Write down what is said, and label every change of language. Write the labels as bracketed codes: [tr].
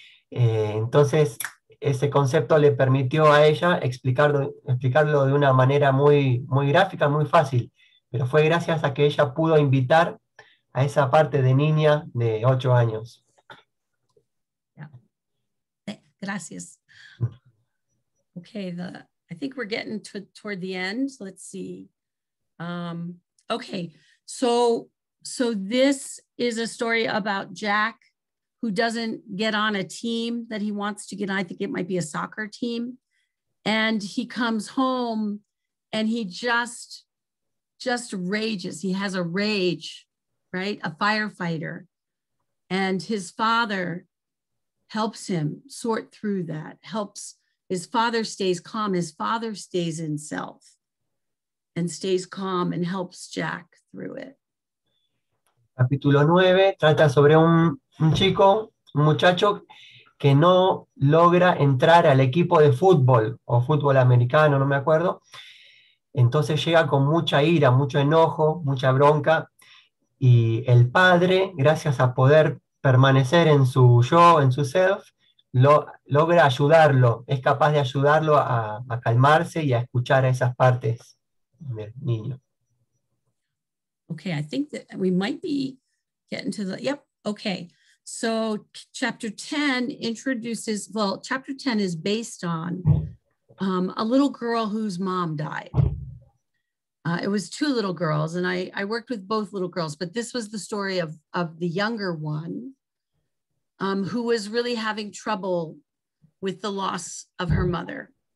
[es] Entonces, ese concepto le permitió a ella explicarlo de una manera muy, muy gráfica, muy fácil. Pero fue gracias a que ella pudo invitar a esa parte de niña de 8 años. Gracias. [en] Okay, I think we're getting toward the end. Let's see. Okay, so this is a story about Jack, who doesn't get on a team that he wants to get on. I think it might be a soccer team. And he comes home and he just rages. He has a rage, right? A firefighter. And his father helps him sort through that, helps his father stays calm. His father stays in self and stays calm and helps Jack through it. [es] Capítulo 9 trata sobre un chico, un muchacho que no logra entrar al equipo de fútbol o fútbol americano, no me acuerdo. Entonces llega con mucha ira, mucho enojo, mucha bronca, y el padre, gracias a poder permanecer en su yo, en su self, logra ayudarlo, es capaz de ayudarlo a calmarse y a escuchar a esas partes del niño. [en] Okay, I think that we might be getting to the, yep, okay. So chapter 10 introduces, well, chapter 10 is based on a little girl whose mom died. It was two little girls, and I worked with both little girls, but this was the story of the younger one who was really having trouble with the loss of her mother.